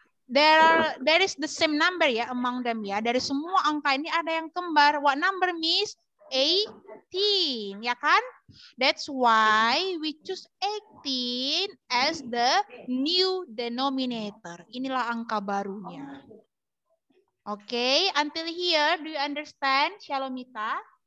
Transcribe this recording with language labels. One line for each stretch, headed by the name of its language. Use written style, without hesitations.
English: There is the same number ya among them ya.
Indonesian: Dari semua angka ini ada yang kembar.
English: What number, Miss? 18.
Indonesian: Ya kan?
English: That's why we choose 18 as the new denominator.
Indonesian: Inilah angka barunya.
English: Okay, until here, do you understand, Shalomita?